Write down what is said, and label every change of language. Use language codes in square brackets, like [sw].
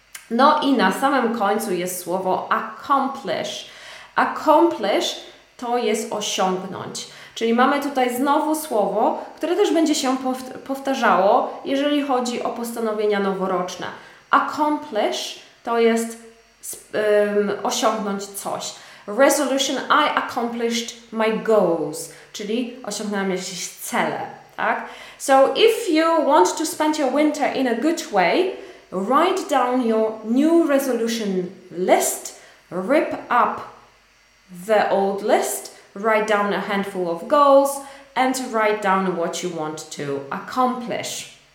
[pl] No i na samym końcu jest słowo accomplish. Accomplish to jest osiągnąć. Czyli mamy tutaj znowu słowo, które też będzie się powtarzało, jeżeli chodzi o postanowienia noworoczne. Accomplish to jest osiągnąć coś. [en] Resolution, I accomplished my goals. [pl] Czyli osiągnąłem jakieś cele. Tak? [en] So if you want to spend your winter in a good way, write down your new resolution list, rip up the old list, write down a handful of goals and write down what you want to accomplish.